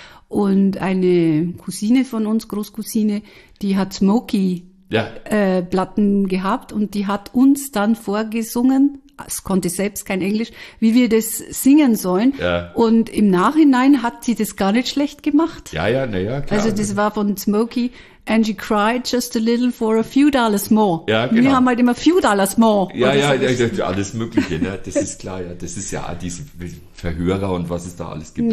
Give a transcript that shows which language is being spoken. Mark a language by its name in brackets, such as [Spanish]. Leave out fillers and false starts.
[German] Und eine Cousine von uns, Großcousine, die hat Smokey-Platten gehabt und die hat uns dann vorgesungen, es konnte selbst kein Englisch, wie wir das singen sollen. Ja. Und im Nachhinein hat sie das gar nicht schlecht gemacht. Ja, naja, klar. Also das war von Smokey, [English] and she cried just a little for a few dollars more. [German] Ja, genau. Wir haben halt immer [English] few dollars more. [German] Ja, alles Mögliche, ne? Das ist klar, ja. Das ist ja auch diese Verhörer und was es da alles gibt.